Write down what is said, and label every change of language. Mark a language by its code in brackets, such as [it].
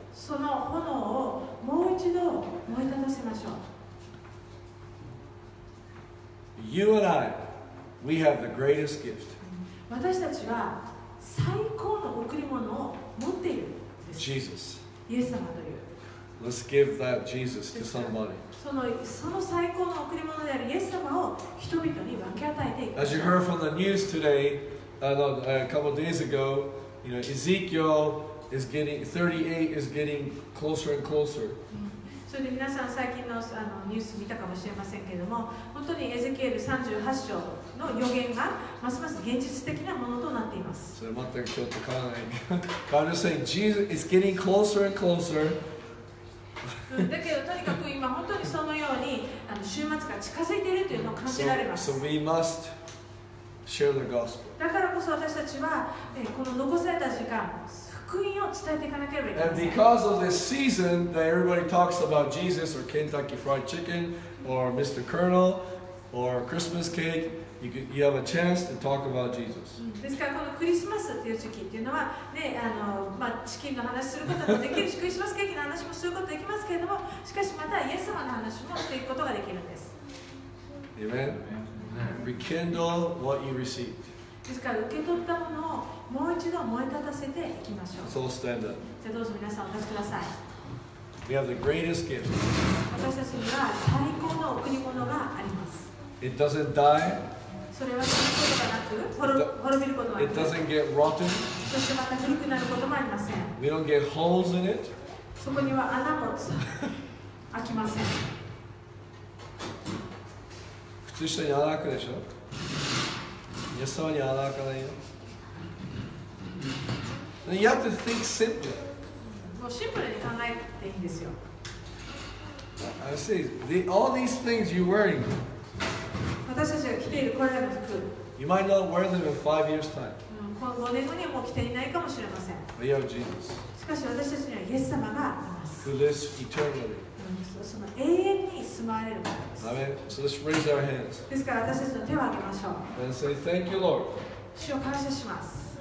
[ja] その炎をもう一度燃え立たせましょう。 [en] You and I, we have the greatest gift. [ja] 私たちは最高の贈り物を持っている。 [en] Jesus. [ja] イエス様という。 [en] Let's give that Jesus to somebody. [ja] その最高の贈り物であるイエス様を人々に分け与えていく。 [en] As you heard from the news today, a couple of days ago, you know, Ezekiel is getting 38 is getting closer and closer. [ja] それで皆さん最近のニュース見たかもしれませんけれども、本当にエゼキエル38章の予言がますます現実的なものとなっています。それ全くちょっと変わらない。 [en] God is saying Jesus is getting closer and closer. [ja] だけどとにかく今本当にそのように終末が近づいているというのを感じられます。 [en] So we must share the gospel. [ja] だからこそ私たちはこの残された時間、 [en] And because of this season that everybody talks about Jesus or Kentucky Fried Chicken or Mr. Colonel or Christmas cake, you have a chance to talk about Jesus. [ja] ですからこのクリスマスっていう時期っていうのはね、まあ、チキンの話することもできるし、クリスマスケーキの話もすることできますけれども、しかしまたイエス様の話もしていくことができるんです。 [en] Amen. Amen. Rekindle what you received. [ja] ですから受け取ったものをもう一度燃え立たせていきましょう。 [en] So stand up. [ja] じゃあどうぞ皆さんお立ちください。 [en] We have the greatest gift. [ja] 私たちには最高の贈り物があります。 [en] It doesn't die. [ja] それは死ぬことがなく滅びることはない。 [en] It doesn't get rotten. [ja] そしてまた古くなることもありません。 [en] We don't get holes in it. [ja] そこには穴も開きません。靴下に穴開くでしょ。イエス様に穴開かないよ。 [en] You have to think simply. [ja] もうシンプルに考えていいんですよ。 [en] I see. All these things you're wearing. [ja] 私たちが着ているこれらの服。 [en] You might not wear them in 5 years' time. [ja] 5年後にはもう着ていないかもしれません。 [en] But you have Jesus. [ja] しかし私たちにはイエス様がいます。 [en] Who lives eternally. [ja] その永遠に住まれるものです。 [en] Amen. So let's raise our hands. [ja] ですから私たちの手を挙げましょう。 [en] And say thank you Lord. [ja] 主を感謝します。